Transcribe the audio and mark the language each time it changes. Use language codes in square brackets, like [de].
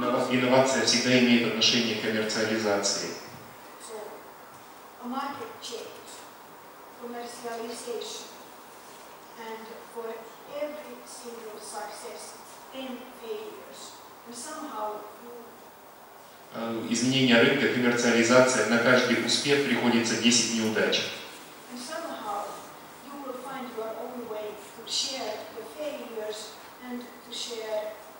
[ru] Инновация всегда имеет отношение к коммерциализации. [en] So, market change, commercialization, and for every single success, 10 failures, and somehow you... [ru] Изменение рынка, коммерциализация, на каждый успех приходится 10 неудач. [en] And somehow you will find your own way to share the failures and to share